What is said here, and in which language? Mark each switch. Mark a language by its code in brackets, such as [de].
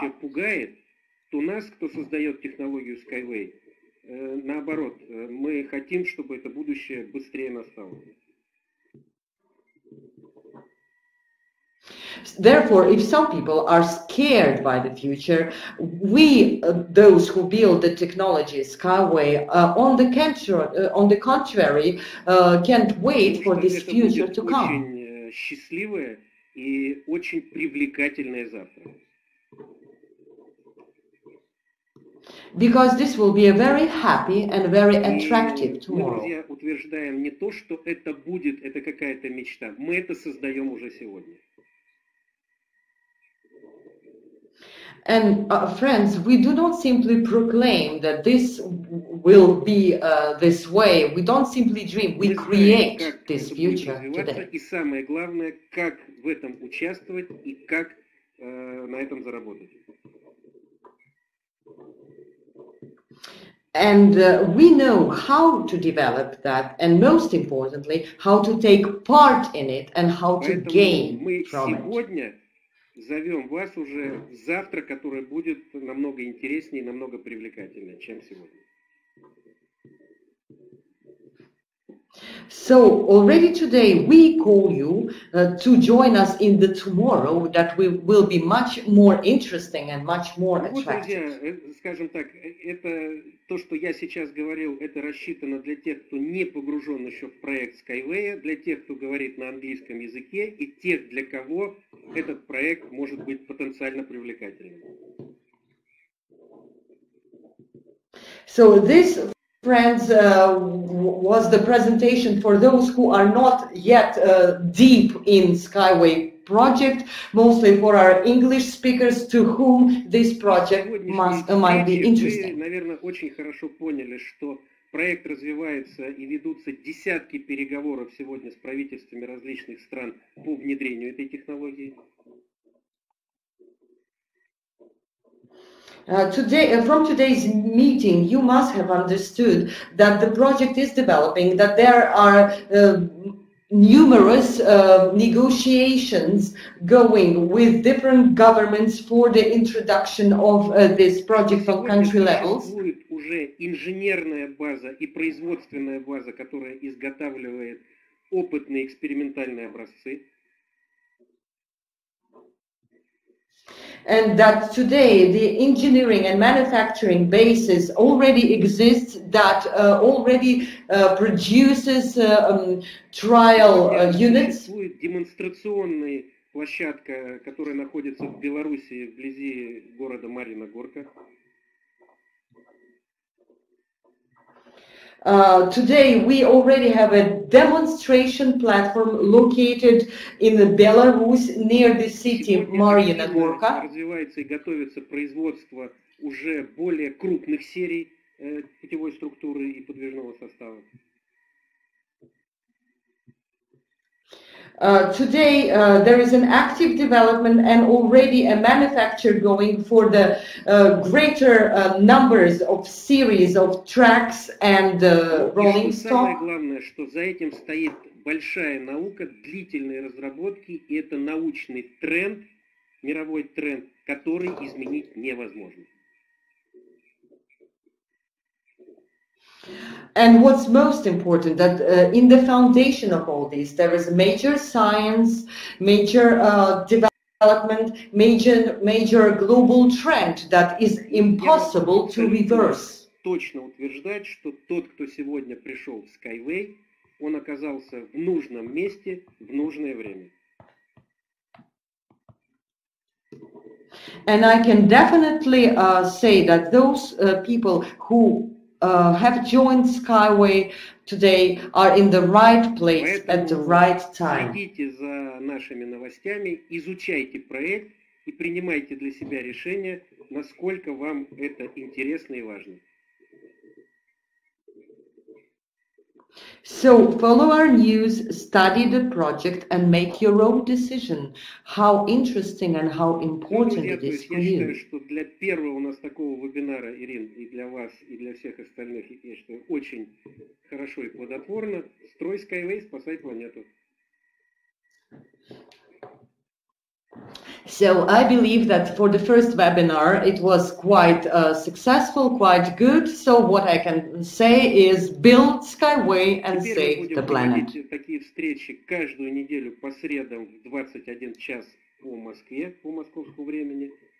[ru] Если кого-то пугает, то нас, кто создает технологию SkyWay, наоборот, мы хотим, чтобы это будущее быстрее настало. [en] Therefore, if some people are scared by the future, we, those who build the technology SkyWay, on the contrary, can't wait for this future to come. [ru] Очень счастливое и очень привлекательное завтра. [en] Because this will be a very happy and very attractive tomorrow. [ru] Мы, друзья, утверждаем не то, что это будет, это какая-то мечта. Мы это создаем уже сегодня. [en] And friends, we do not simply proclaim that this will be this way. We don't simply dream. We create this future today. [ru] И самое главное, как в этом участвовать и как на этом заработать. [en] And we know how to develop that, and most importantly, how to take part in it and how to gain from it. [ru] Зовем вас уже завтра, который будет намного интереснее и намного привлекательнее, чем сегодня. [en] So already today we call you to join us in the tomorrow that we will be much more interesting and much more attractive. [ru] Друзья, скажем так, это то, что я сейчас говорил, это рассчитано для тех, кто не погружен еще в проект SkyWay, для тех, кто говорит на английском языке и тех, для кого этот проект может быть потенциально привлекательным. [en] So this, friends, was the presentation for those who are not yet deep in SkyWay project, mostly for our English speakers, to whom this project might be interesting. [ru] Вы, наверное, очень хорошо поняли, что проект развивается и ведутся десятки переговоров сегодня с правительствами различных стран по внедрению этой технологии. [en] Today, from today's meeting, you must have understood that the project is developing, that there are numerous negotiations going with different governments for the introduction of this project on country levels. [ru] Существует уже инженерная база и производственная база, которая изготавливает опытные экспериментальные образцы. [en] And that today the engineering and manufacturing basis already exists that already produces trial units. [ru] Существует демонстрационная площадка, которая находится в Беларуси вблизи города Марьина Горка. [en] Today we already have a demonstration platform located in Belarus near the city Marina Gorka. [ru] Развивается и готовится производство уже более крупных серий путевой структуры и подвижного состава. [en] Today there is an active development and already a manufacture going for the greater numbers of series of tracks and rolling stock. [ru] Самое главное, что за этим стоит большая наука, длительные разработки, и это научный тренд, мировой тренд, который изменить невозможно. [en] And what's most important, that in the foundation of all this, there is major science, major development, major global trend that is impossible to reverse. [ru] Точно утверждать, что тот, кто сегодня пришел в SkyWay, он оказался в нужном месте в нужное время. [en] And I can definitely say that those people who have joined SkyWay today are in the right place at the right time. [ru] Следите за нашими новостями, изучайте проект и принимайте для себя решение, насколько вам это интересно и важно. [en] So follow our news, study the project and make your own decision. How interesting and how important it is for you. [ru] Я считаю, что для первого у нас такого вебинара, Ирин, и для вас, и для всех остальных, я считаю, очень хорошо и плодотворно. Строй SkyWay, спасай планету. [en] So I believe that for the first webinar it was quite successful, quite good. So what I can say is build SkyWay and [ru] теперь [en] save the planet. [ru] Такие встречи каждую неделю по средам в 21 час по Москве, по московскому времени.